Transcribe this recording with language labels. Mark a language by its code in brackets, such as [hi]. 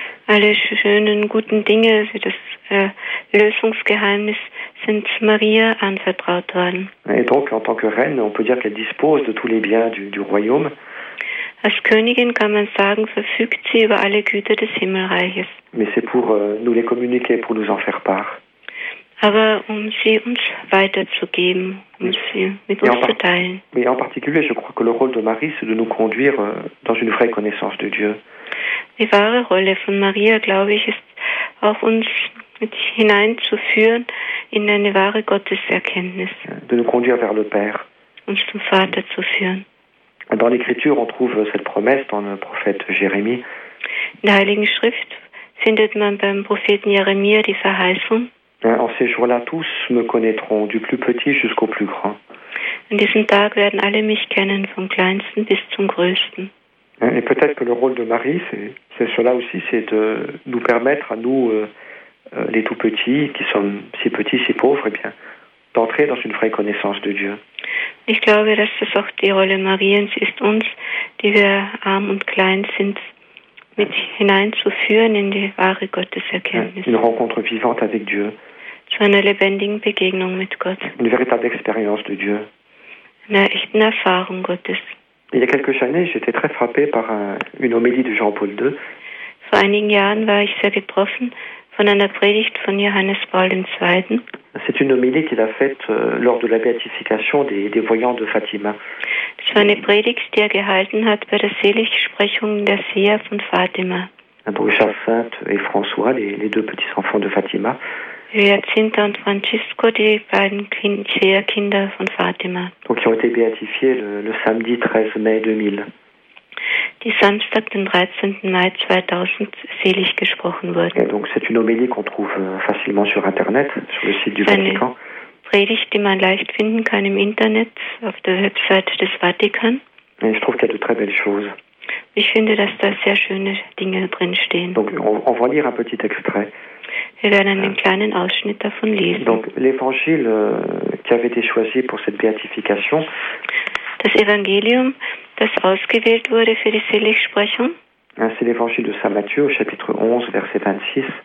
[de] Alle schönen, guten Dinge, das Lösungsgeheimnis, sind Maria anvertraut worden. [fr] Et donc, en tant que reine, on peut dire qu'elle dispose de tous les biens du royaume. [de] Als Königin kann man sagen, verfügt sie über alle Güter des Himmelreiches. [fr] Mais c'est pour nous les communiquer, pour nous en faire part. [de] Aber um sie uns weiterzugeben, sie mit uns zu teilen. [fr] Mais en particulier, je crois que le rôle de Marie, c'est de nous conduire dans une vraie connaissance de Dieu. [de] Die wahre Rolle von Maria, glaube ich, ist auch uns mit hineinzuführen in eine wahre Gotteserkenntnis. [fr] De nous conduire vers le Père. [de] Uns zum Vater zu führen. [fr] Dans l'Écriture, on trouve cette promesse dans le prophète Jérémie. [de] In der Heiligen Schrift findet man beim Propheten Jeremia die Verheißung. [fr] En ces jours-là, tous me connaîtront, du plus petit jusqu'au plus grand. [de] An diesem Tag werden alle mich kennen, vom kleinsten bis zum größten. [fr] Et peut-être que le rôle de Marie, c'est cela aussi, c'est de nous permettre à nous, les tout petits, qui sommes si petits, si pauvres, eh bien, d'entrer dans une vraie connaissance de Dieu. [de] Ich glaube, dass das auch die Rolle Mariens ist, uns, die wir arm und klein sind, mit hineinzuführen in die wahre Gotteserkenntnis. [fr] Une rencontre vivante avec Dieu. [de] Zu einer lebendigen Begegnung mit Gott. [fr] Une véritable expérience de Dieu. [de] Einer echten Erfahrung Gottes. [fr] Il y a quelques années, j'étais très frappé par une homélie de Jean-Paul II. [de] Vor einigen Jahren war ich sehr getroffen von einer Predigt von Johannes Paul II. [fr] C'est une homélie qu'il a faite lors de la béatification des voyants de Fatima. [de] Es war eine Predigt, die er gehalten hat bei der Seligsprechung der Seher von Fatima. [fr] Richard Sainte et François, les deux petits-enfants de Fatima. [de] Jacinta und Francisco, die beiden Seherkinder von Fatima. [fr] Donc, ils ont été béatifiés le samedi 13 mai 2000. [de] Die Samstag, den 13. Mai 2000, selig gesprochen wurden. [fr] Donc, c'est une homélie qu'on trouve facilement sur Internet, sur le site du Vatican. [de] Predigt, die man leicht finden kann im Internet, auf der Website des Vatikan. [fr] Je trouve qu'il y a de très belles choses. [de] Ich finde, dass da sehr schöne Dinge drinstehen. [fr] Donc, on va lire un petit extrait. [de] Wir werden einen kleinen Ausschnitt davon lesen. [fr] Donc, l'évangile qui avait été choisi pour cette béatification. [de] Das Evangelium, das ausgewählt wurde für die Seligsprechung? [fr] C'est l'évangile de Saint Matthieu au chapitre 11, verset 26.